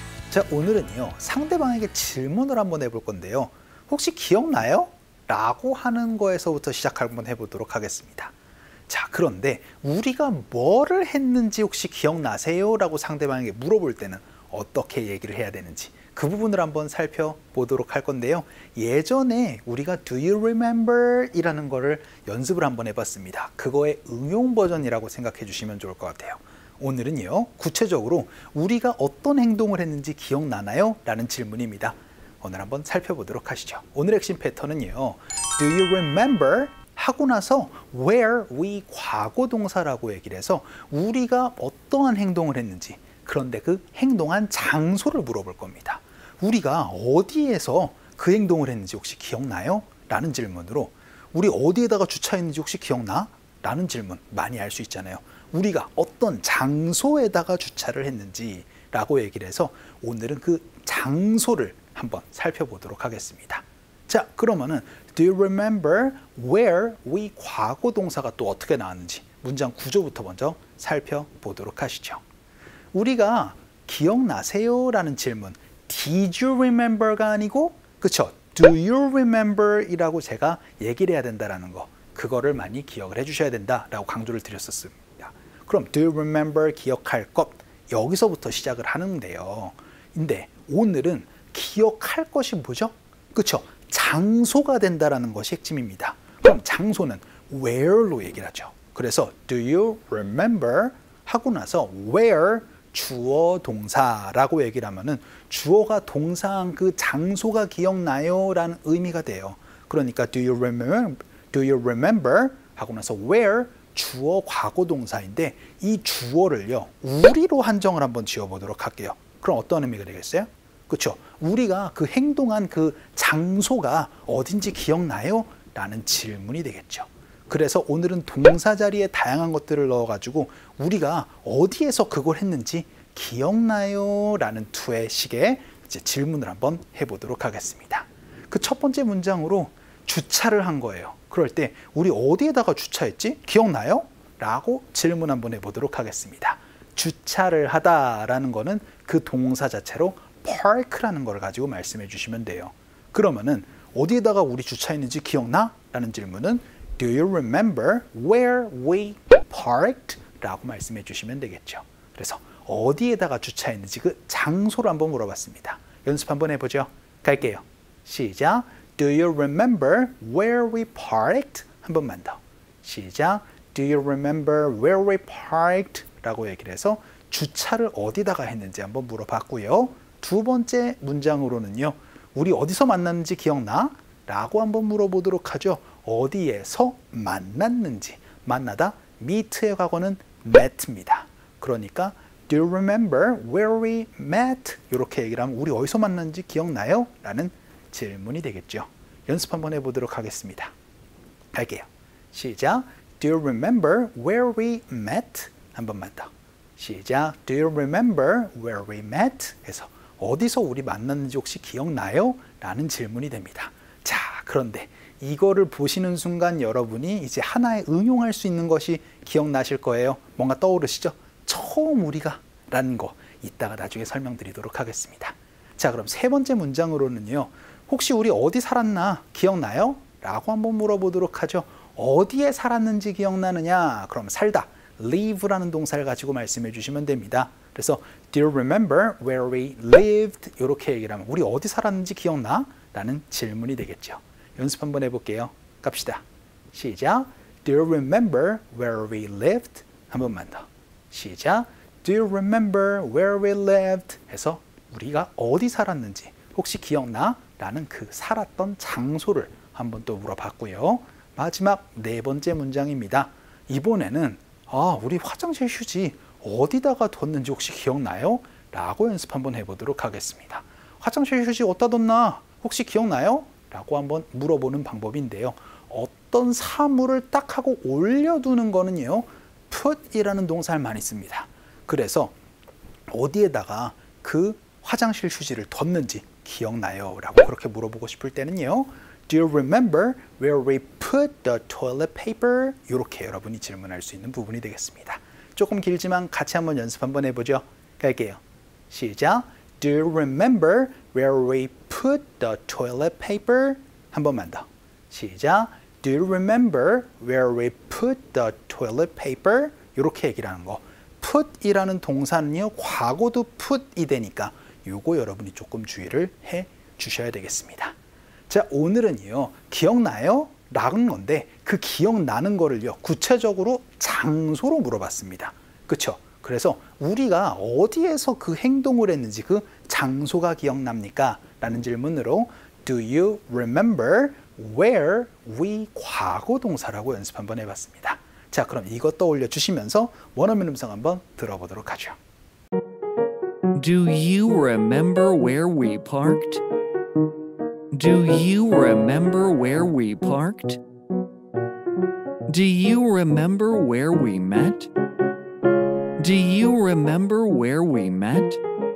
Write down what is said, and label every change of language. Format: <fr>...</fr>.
<ko>자, 오늘은요, 상대방에게 질문을 한번 해볼 건데요. 혹시 기억나요? 라고 하는 거에서부터 시작 한번 해보도록 하겠습니다. 자, 그런데 우리가 뭐를 했는지 혹시 기억나세요? 라고 상대방에게 물어볼 때는 어떻게 얘기를 해야 되는지 그 부분을 한번 살펴보도록 할 건데요. 예전에 우리가</ko> <en>Do you remember?</en> <ko>이라는 거를 연습을 한번 해봤습니다. 그거의 응용 버전이라고 생각해 주시면 좋을 것 같아요. 오늘은요, 구체적으로 우리가 어떤 행동을 했는지 기억나나요? 라는 질문입니다. 오늘 한번 살펴보도록 하시죠. 오늘 핵심 패턴은요,</ko> <en>Do you remember?</en> <ko>하고 나서</ko> <en>where we</en> <ko>과거 동사라고 얘기를 해서 우리가 어떠한 행동을 했는지, 그런데 그 행동한 장소를 물어볼 겁니다. 우리가 어디에서 그 행동을 했는지 혹시 기억나요? 라는 질문으로, 우리 어디에다가 주차했는지 혹시 기억나? 라는 질문 많이 할 수 있잖아요. 우리가 어떤 장소에다가 주차를 했는지 라고 얘기를 해서 오늘은 그 장소를 한번 살펴보도록 하겠습니다. 자, 그러면은</ko> <en>Do you remember where we</en> <ko>과거 동사가 또 어떻게 나왔는지 문장 구조부터 먼저 살펴보도록 하시죠. 우리가 기억나세요? 라는 질문,</ko> <en>Did you remember가</en> <ko>아니고, 그렇죠,</ko> <en>Do you remember?</en> <ko>이라고 제가 얘기를 해야 된다라는 거, 그거를 많이 기억을 해주셔야 된다라고 강조를 드렸었습니다. 그럼</ko> <en>Do you remember</en> <ko>기억할 것? 여기서부터 시작을 하는데요. 근데 오늘은 기억할 것이 뭐죠? 그렇죠, 장소가 된다라는 것이 핵심입니다. 그럼 장소는 where로 얘기를 하죠. 그래서</ko> <en>Do you remember?</en> <ko>하고 나서 where 주어 동사라고 얘기를 하면은 주어가 동사한 그 장소가 기억나요? 라는 의미가 돼요. 그러니까</ko> <en>do you remember</en> <ko>하고 나서 where 주어 과거 동사인데 이 주어를요, 우리로 한정을 한번 지어 보도록 할게요. 그럼 어떤 의미가 되겠어요? 그렇죠. 우리가 그 행동한 그 장소가 어딘지 기억나요? 라는 질문이 되겠죠. 그래서 오늘은 동사 자리에 다양한 것들을 넣어가지고 우리가 어디에서 그걸 했는지 기억나요? 라는 두의 식의 이제 질문을 한번 해보도록 하겠습니다. 그 첫 번째 문장으로 주차를 한 거예요. 그럴 때 우리 어디에다가 주차했지? 기억나요? 라고 질문 한번 해보도록 하겠습니다. 주차를 하다 라는 거는 그 동사 자체로 park라는 걸 가지고 말씀해 주시면 돼요. 그러면은 어디에다가 우리 주차했는지 기억나? 라는 질문은</ko> <en>Do you remember where we parked?</en> <ko>라고 말씀해 주시면 되겠죠. 그래서 어디에다가 주차했는지 그 장소를 한번 물어봤습니다. 연습 한번 해보죠. 갈게요. 시작!</ko> <en>Do you remember where we parked?</en> <ko>한 번만 더. 시작!</ko> <en>Do you remember where we parked?</en> <ko>라고 얘기를 해서 주차를 어디다가 했는지 한번 물어봤고요. 두 번째 문장으로는요, 우리 어디서 만났는지 기억나? 라고 한번 물어보도록 하죠. 어디에서 만났는지, 만나다 meet의 과거는 met입니다. 그러니까</ko> <en>Do you remember where we met?</en> <ko>이렇게 얘기를 하면 우리 어디서 만났는지 기억나요? 라는 질문이 되겠죠. 연습 한번 해보도록 하겠습니다. 갈게요. 시작!</ko> <en>Do you remember where we met?</en> <ko>한 번만 더. 시작!</ko> <en>Do you remember where we met?</en> <ko>해서 어디서 우리 만났는지 혹시 기억나요? 라는 질문이 됩니다. 자, 그런데 이거를 보시는 순간 여러분이 이제 하나에 응용할 수 있는 것이 기억나실 거예요. 뭔가 떠오르시죠? 처음 우리가 라는 거 이따가 나중에 설명드리도록 하겠습니다. 자, 그럼 세 번째 문장으로는요, 혹시 우리 어디 살았나 기억나요? 라고 한번 물어보도록 하죠. 어디에 살았는지 기억나느냐? 그럼 살다, live라는 동사를 가지고 말씀해 주시면 됩니다. 그래서</ko> <en>Do you remember where we lived?</en> <ko>이렇게 얘기를 하면 우리 어디 살았는지 기억나? 라는 질문이 되겠죠. 연습 한번 해볼게요. 갑시다. 시작!</ko> <en>Do you remember where we lived?</en> <ko>한 번만 더. 시작!</ko> <en>Do you remember where we lived?</en> <ko>해서 우리가 어디 살았는지 혹시 기억나? 라는 그 살았던 장소를 한번 또 물어봤고요. 마지막 네 번째 문장입니다. 이번에는 아, 우리 화장실 휴지 어디다가 뒀는지 혹시 기억나요? 라고 연습 한번 해보도록 하겠습니다. 화장실 휴지 어디다 뒀나? 혹시 기억나요? 라고 한번 물어보는 방법인데요. 어떤 사물을 딱 하고 올려두는 거는요, put이라는 동사를 많이 씁니다. 그래서 어디에다가 그 화장실 휴지를 뒀는지 기억나요? 라고 그렇게 물어보고 싶을 때는요,</ko> <en>Do you remember where we put the toilet paper?</en> <ko>이렇게 여러분이 질문할 수 있는 부분이 되겠습니다. 조금 길지만 같이 한번 연습 한번 해보죠. 갈게요. 시작.</ko> <en>Do you remember where we put the toilet paper?</en> <ko>한 번만 더. 시작.</ko> <en>Do you remember where we put the toilet paper?</en> <ko>이렇게 얘기를 하는 거. put이라는 동사는요, 과거도 put이 되니까 요거 여러분이 조금 주의를 해 주셔야 되겠습니다. 자, 오늘은요, 기억나요? 라는 건데 그 기억나는 거를요, 구체적으로 장소로 물어봤습니다. 그쵸? 그래서 우리가 어디에서 그 행동을 했는지 그 장소가 기억납니까? 라는 질문으로</ko> <en>Do you remember where we</en> <ko>과거 동사라고 연습 한번 해봤습니다. 자, 그럼 이것 떠올려 주시면서 원어민 음성 한번 들어보도록 하죠.</ko> <en>Do you remember where we parked? Do you remember where we parked? Do you remember where we met? Do you remember where we met?</en>